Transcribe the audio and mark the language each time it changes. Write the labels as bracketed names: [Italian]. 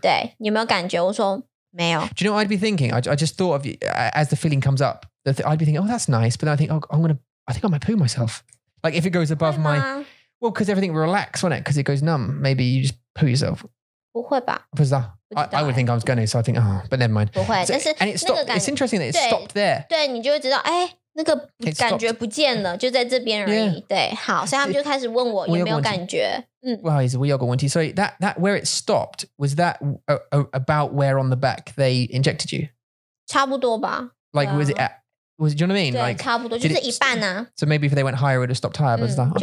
[Chinese] 对, 你有没有感觉? 我说, 没有。 [English] Do you know what I'd be thinking? I just thought of you as the feeling comes up. I'd be thinking, "Oh, that's nice," but then I think, "Oh, I think I might poo myself." Like if it goes above my well, because everything relaxed, wasn't it? Because it goes numb. Maybe you just poo yourself. [Chinese] 不会吧? 不知道。 [English] I would think I was going to, so I think, "Oh, but never mind." [Chinese] 不会, [English] so, [Chinese] 但是, [English] and it stopped. [Chinese] 那个感, [English] it's interesting that it stopped there. [Chinese] 对, 你就会知道, 哎。那个感觉不见了就在这边而已、 [English] yeah. [Chinese] 对好所以他们就开始问我有没有感觉嗯 [English] Well, is it, we all got one tea. So that where it stopped, was that about where on the back they injected you? [Chinese] 差不多吧 [English] Like、yeah. was it at, was, do you know what I mean? [Chinese] 对 [English] like, [Chinese] 差不多就是一半啊 [English] So maybe if they went higher it would have stopped higher, but、okay.